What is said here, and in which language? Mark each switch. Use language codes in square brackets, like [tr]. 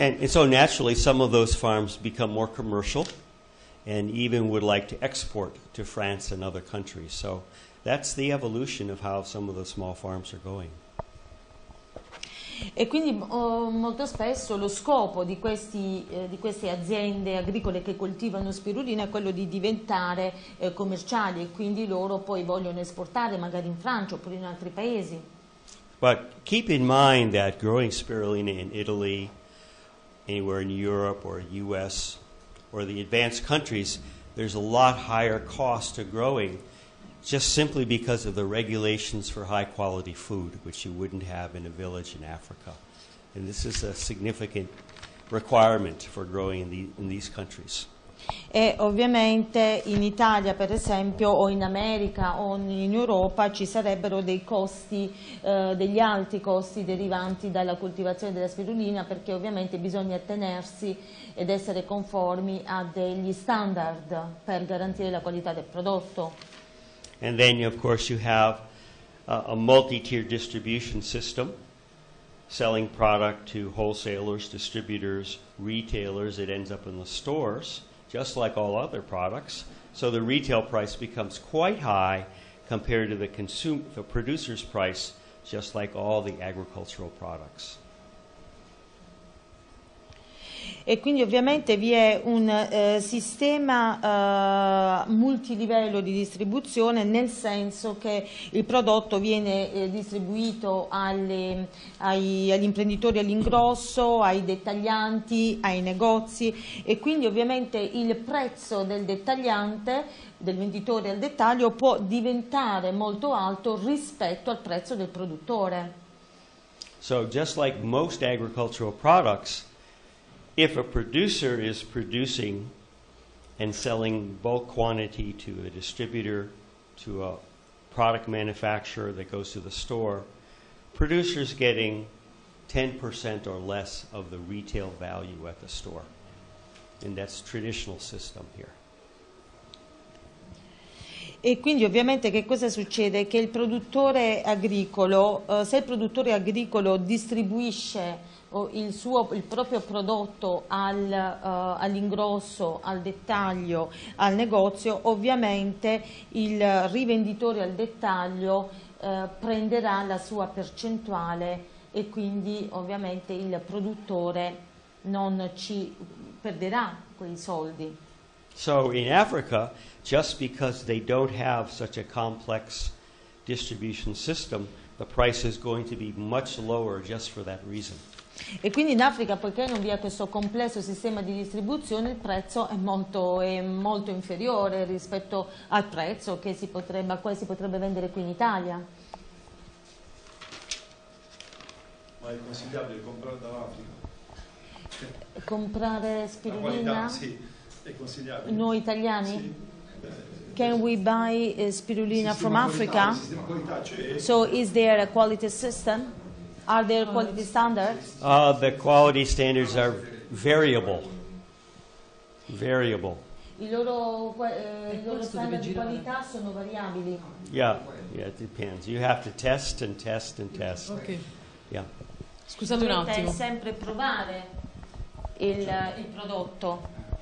[en] And so naturally some of those farms become more commercial and even would like to export to France and other countries. So that's the evolution of how some of the small farms are going. [it] E quindi molto spesso lo scopo di queste aziende agricole che coltivano spirulina è quello di diventare commerciali, e quindi loro poi vogliono esportare magari in Francia oppure in altri paesi. [en] But keep in mind that growing spirulina in Italy, anywhere in Europe or US or the advanced countries, there's a lot higher cost to growing, just simply because of the regulations for high quality food, which you wouldn't have in a village in Africa. And this is a significant requirement for growing in these countries. [it] E ovviamente in Italia, per esempio, o in America o in Europa ci sarebbero dei costi, degli alti costi derivanti dalla coltivazione della spirulina, perché ovviamente bisogna attenersi ed essere conformi a degli standard per garantire la qualità del prodotto. [en] And then, of course, you have a multi-tier distribution system, selling product to wholesalers, distributors, retailers. It ends up in the stores, just like all other products. So the retail price becomes quite high compared to the producer's price, just like all the agricultural products. [it] e quindi ovviamente vi è un sistema multilivello di distribuzione, nel senso che il prodotto viene distribuito agli imprenditori all'ingrosso, ai dettaglianti, ai negozi, e quindi ovviamente il prezzo del dettagliante, del venditore al dettaglio, può diventare molto alto rispetto al prezzo del produttore. [en] So just like most agricultural products, if a producer is producing and selling bulk quantity to a distributor, to a product manufacturer that goes to the store, producer's getting 10% or less of the retail value at the store. And that's traditional system here. [it] E quindi ovviamente che cosa succede? Che il produttore agricolo, se il produttore agricolo distribuisce il proprio prodotto all'ingrosso, al dettaglio, al negozio, ovviamente il rivenditore al dettaglio prenderà la sua percentuale, e quindi ovviamente il produttore non ci perderà quei soldi. [en] So in Africa, just because they don't have such a complex distribution system, the price is going to be much lower just for that reason. [it] E quindi in Africa, poiché non vi è questo complesso sistema di distribuzione, il prezzo è molto inferiore rispetto al prezzo che si potrebbe vendere qui in Italia. Ma è consigliabile comprare dall'Africa? Comprare spirulina? La qualità, sì. Consigliabile. Noi italiani? Sì. [en] Can we buy spirulina from Africa? [it] Qualità, cioè. [en] So is there a quality system? Are there quality standards? The quality standards are variable. Variable. [it] I loro standard di qualità sono variabili. [en] Yeah, it depends. You have to test and test and test. Okay. Yeah. [it] Scusate un attimo. Dovete sempre provare il prodotto.